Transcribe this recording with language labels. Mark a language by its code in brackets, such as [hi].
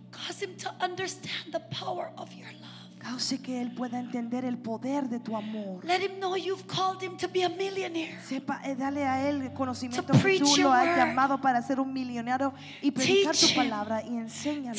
[en] Cause him to understand the power of your love. [es] Cause que él pueda entender el poder de tu amor. [en] Let him know you've called him to be a millionaire. [es] Sepa, dale a él conocimiento que tú lo has llamado para ser un millonario y predicar tu palabra y enséñale.